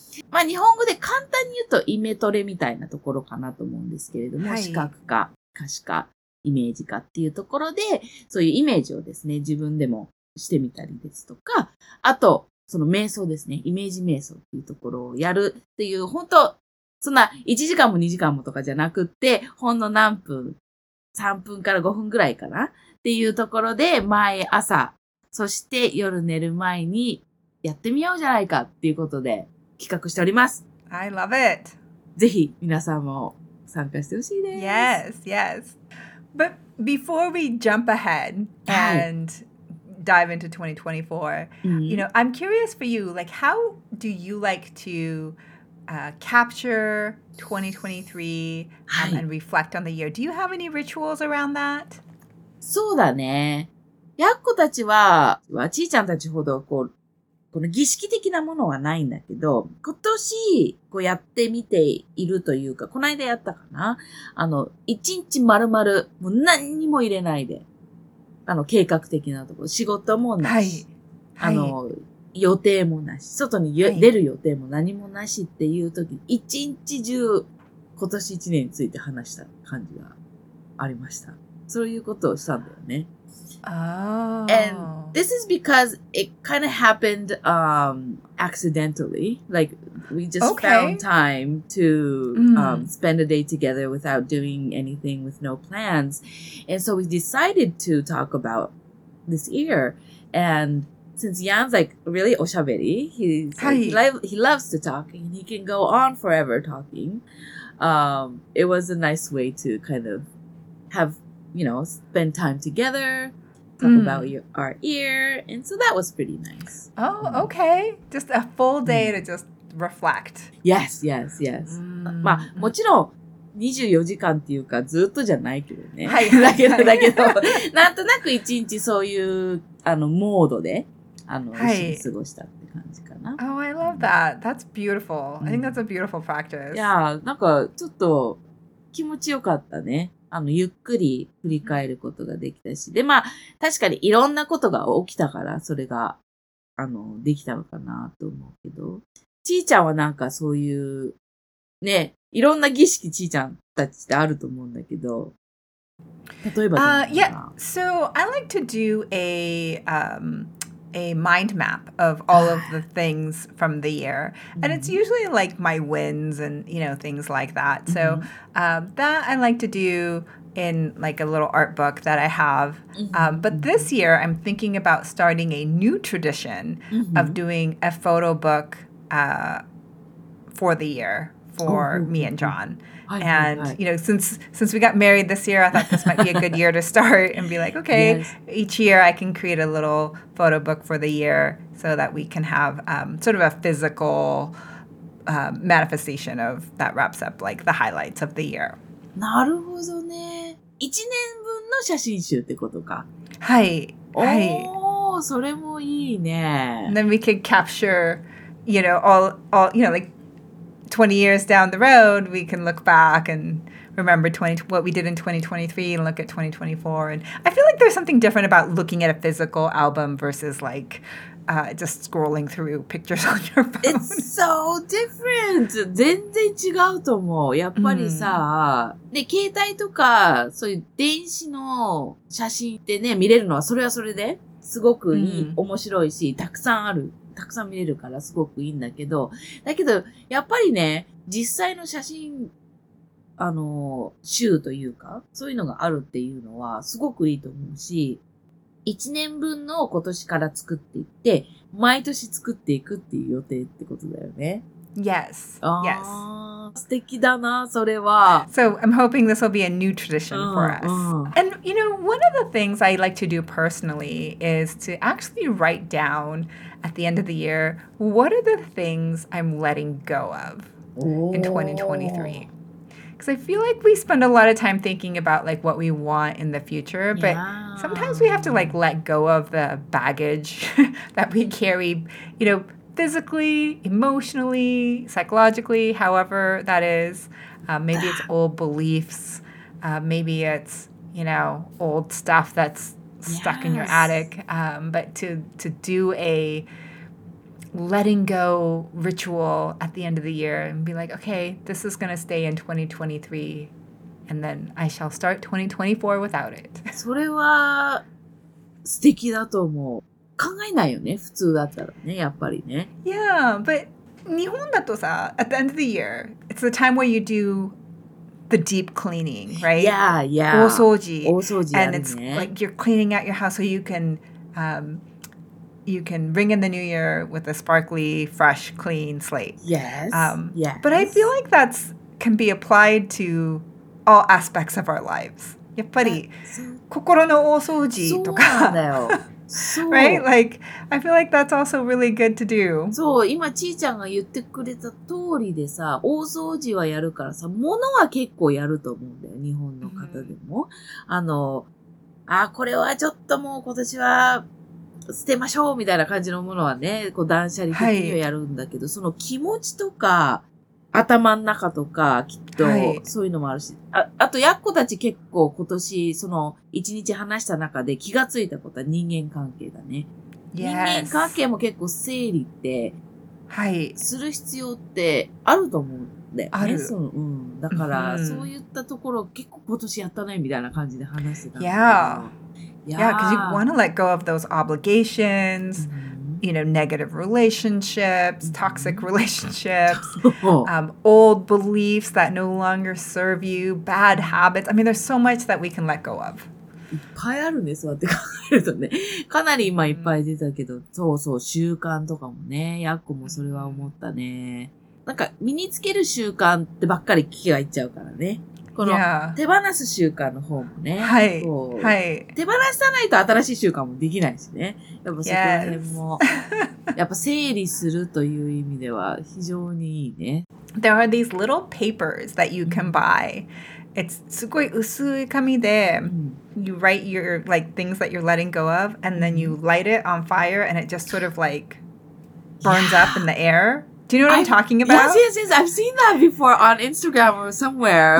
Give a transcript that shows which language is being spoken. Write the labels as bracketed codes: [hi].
[ja] まあ日本語で簡単に言うとイメトレみたいなところかなと思うんですけれども、はい、視覚か可視かイメージかっていうところでそういうイメージをですね自分でもしてみたりですとかあとその瞑想ですねイメージ瞑想っていうところをやるっていう本当そんな1時間も2時間もとかじゃなくってほんの何分 3分から5分ぐらいかなっていうところで毎朝そして夜寝る前にやってみようじゃないかっていうことで企画しております。 [en] I love it. [ja] ぜひ皆さんも参加してほしいです。 [en] Yes, yes. But before we jump ahead and dive into 2024, you know, I'm curious for you, like, how do you like to capture 2023 and reflect on the year? Do you have any rituals around that? [ja] そうだね。やっこたちは、ちーちゃんたちほどこう、この儀式的なものはないんだけど、今年、こうやってみているというか、この間やったかな？一日丸々、もう何にも入れないで、計画的なところ、仕事もなし、はいはい、予定もなし、外に、はい、出る予定も何もなしっていう時、一日中、今年一年について話した感じがありました。そういうことをしたんだよね。 [en] Oh. And this is because it kind of happened accidentally. Like, we just found time to spend a day together without doing anything with no plans. And so we decided to talk about this year. And since Jan's like really oshaberi, he loves to talk and he can go on forever talking. It was a nice way to kind of have, you know, spend time together. Talk about our ear, and so that was pretty nice. Oh, okay. Just a full day to just reflect. Yes, yes, yes. [ja] まあ、もちろん24時間っていうかずっとじゃないけどね。はい。だけど、なんとなく一日そういうモードで一緒に過ごしたって感じかな。 [en] Oh, I love that. That's beautiful. I think that's a beautiful practice. [ja] Yeah, なんかちょっと気持ちよかったね。ゆっくり振り返ることができたし。で、まあ、確かにいろんなことが起きたから、それが、できたのかなと思うけど。ちーちゃんはなんかそういう、ね、いろんな儀式ちーちゃんたちってあると思うんだけど。例えばどうかな。 [en] Yeah, so I like to do a, a mind map of all of the things from the year. And it's usually like my wins and, you know, things like that. So that I like to do in like a little art book that I have. But this year I'm thinking about starting a new tradition of doing a photo book for the year for me and John. You know, since we got married this year, I thought this might be a good year to start and be like, okay, each year I can create a little photo book for the year so that we can have sort of a physical manifestation of that wraps up like the highlights of the year. [ja] なるほどね。 1年分の写真集ってことか。はい。はい、おお、それもいいね。 [en] Then we could capture, you know, all, you know, like 20 years down the road, we can look back and remember what we did in 2023 and look at 2024. And I feel like there's something different about looking at a physical album versus like just scrolling through pictures on your phone. It's so different. [ja] 全然違うと思う。やっぱりさ、で、携帯とか、そういう電子の写真ってね、見れるのはそれはそれですごくいい、面白いし、たくさんある。たくさん見れるからすごくいいんだけど、だけど、やっぱりね、実際の写真、集というか、そういうのがあるっていうのはすごくいいと思うし、一年分の今年から作っていって、毎年作っていくっていう予定ってことだよね。 [en] Yes. Yes. [ja] 素敵だな、それは。 [en] So I'm hoping this will be a new tradition for us. And you know, one of the things I like to do personally is to actually write down at the end of the year, what are the things I'm letting go of in 2023? Because I feel like we spend a lot of time thinking about like what we want in the future, but sometimes we have to like let go of the baggage that we carry, you know, physically, emotionally, psychologically, however that is. Maybe it's old beliefs. Maybe it's, you know, old stuff that's stuck in your attic. But to do a letting go ritual at the end of the year and be like, okay, this is going to stay in 2023 and then I shall start 2024 without it. [ja] それは素敵だと思う。考えないよね、普通だったらね、やっぱりね。 [en] Yeah, but [ja] 日本だとさ、 [en] at the end of the year, it's the time where you do the deep cleaning, right? Yeah, yeah. [ja] 大掃除。大掃除やるね。 [en] And it's like you're cleaning out your house so you can, you can ring in the new year with a sparkly, fresh, clean slate. Yes. But I feel like that's can be applied to all aspects of our lives. [ja] やっぱり、心の大掃除とか。そうだよ。 [en] Right? Like, I feel like that's also really good to do. [ja] そう、今ちーちゃんが言ってくれた通りでさ、大掃除はやるからさ、物は結構やると思うんだよ、日本の方でも。これはちょっともう今年は捨てましょうみたいな感じのものはね、こう断捨離的にはやるんだけど、その気持ちとか、頭ん中とか、きっと、そういうのもあるし。あと、やっこたち結構今年、その、一日話した中で気がついたことは人間関係だね。 [en] Yes. [ja] 人間関係も結構整理って、する必要ってあると思うんだよね。ある。そう、うん。だから、そういったところ結構今年やったね、みたいな感じで話してた。 [en] Yeah, because you want to let go of those obligations. You know, negative relationships, toxic relationships, old beliefs that no longer serve you, bad habits. I mean, there's so much that we can let go of. [ja] いっぱいあるね、そうやって考えるとね。かなり今いっぱい出たけど、そうそう、習慣とかもね、やっこもそれは思ったね。なんか、身につける習慣ってばっかり気がいっちゃうからね。この、手放す習慣の方もね。はい。はい。手放さないと新しい習慣もできないしね。やっぱそこら辺も。やっぱ整理するという意味では非常にいいね。 [en] There are these little papers that you can buy. It's [ja] すごい薄い紙で、 [en] you write your, like, things that you're letting go of, and then you light it on fire, and it just sort of, like, burns up in the air. Do you know what I'm talking about? Yes. I've seen that before on Instagram or somewhere.